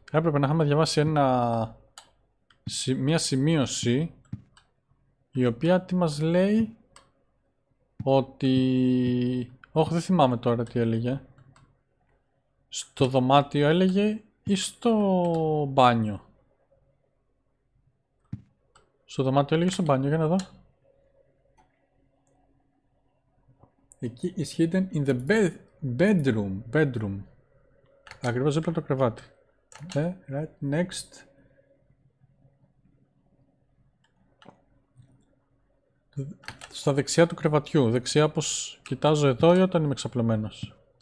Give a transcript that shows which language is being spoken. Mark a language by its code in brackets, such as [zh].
[el] Έπρεπε να είχαμε διαβάσει ένα... μία σημείωση η οποία τι μας λέει, ότι όχι, δεν θυμάμαι τώρα τι έλεγε, στο δωμάτιο έλεγε ή στο μπάνιο. Στο δωμάτιο έλεγε, στο μπάνιο, για να δω. Εκεί [en] is hidden in the bedroom. [el] Ακριβώς δίπλα το κρεβάτι. [en] Okay, right next. [el] Στα δεξιά του κρεβατιού. Δεξιά όπως κοιτάζω εδώ ή όταν είμαι εξαπλωμένος.